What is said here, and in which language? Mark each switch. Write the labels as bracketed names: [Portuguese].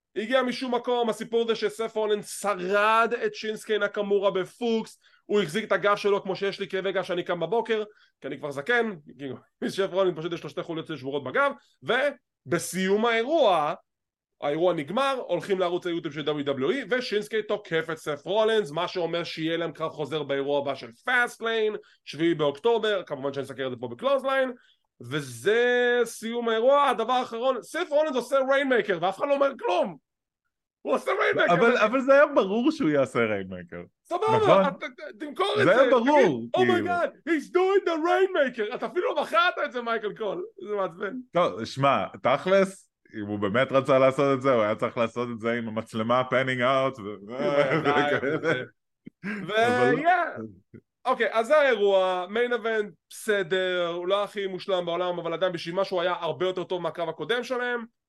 [Hebrew] הגיע משום מקום, הסיפור זה שסף רולינס שרד את שינסקי נקמורה בפוקס, הוא החזיק את הגב שלו כמו שיש לי כאבי גב שאני קם בבוקר, כי אני כבר זקן, כי סף רולינס פשוט יש לו שתי חוליות שבורות בגב, ובסיום האירוע, האירוע נגמר, הולכים לערוץ היוטיוב של WWE, ושינסקי תוקף את סף רולינס, מה שאומר שיהיה להם קרב חוזר באירוע הבא של פאסט-ליין, שביעי באוקטובר, כמובן שאני אסקר את זה פה בקלוזליין, וזה סיום האירוע. הדבר האחרון, סף רולינס עושה ריינמייקר ואף אחד לא אומר כלום. הוא עושה ריינמייקר. אבל זה היה ברור שהוא יעשה ריינמייקר. סבבה, תמכור את זה. זה היה ברור. [English] Oh my god, he's doing the ריינמייקר. [Hebrew] אתה אפילו מכרת את זה, מייקל קול. זה מעצבן. טוב, שמע, תכלס, אם הוא באמת רצה לעשות את זה, הוא היה צריך לעשות את זה עם המצלמה, פנינג אאוט וכאלה. אוקיי, אז זה האירוע, מיין אבנט, בסדר, הוא לא הכי מושלם בעולם, אבל עדיין בשביל משהו היה הרבה יותר טוב מהקרב הקודם שלהם.